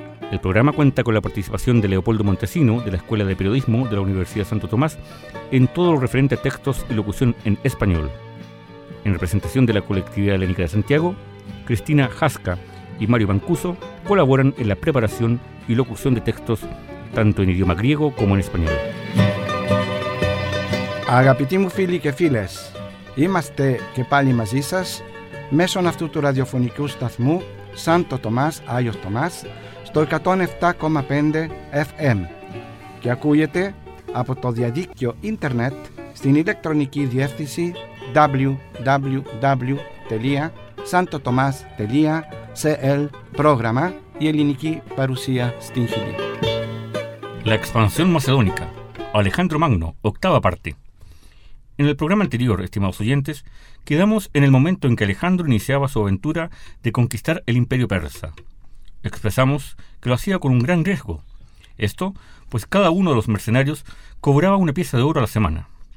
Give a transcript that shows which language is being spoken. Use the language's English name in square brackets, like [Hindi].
[Spanish] El programa cuenta con la participación de Leopoldo Montesino, de la Escuela de Periodismo de la Universidad Santo Tomás, en todo lo referente a textos y locución en español. En representación de la Colectividad Helénica de Santiago, Cristina Jasca y Mario Mancuso colaboran en la preparación y locución de textos, tanto en idioma griego como en español. [Greek] Αγαπητοί φίλοι και φίλες, είμαστε και πάλι μαζί σας μέσω αυτού του ραδιοφωνικού σταθμού Σάντο Τομάς, Άγιος Τομάς, στο 107,5 FM και ακούγεται από το διαδίκτυο ίντερνετ στην ηλεκτρονική διεύθυνση www.santotomas.cl πρόγραμμα η ελληνική παρουσία στην Χιλή. [Spanish] La expansión macedónica, Alejandro Magno, octava parte. En el programa anterior, estimados oyentes, quedamos en el momento en que Alejandro iniciaba su aventura de conquistar el Imperio Persa. Expresamos que lo hacía con un gran riesgo. Esto, pues cada uno de los mercenarios cobraba una pieza de oro a la semana.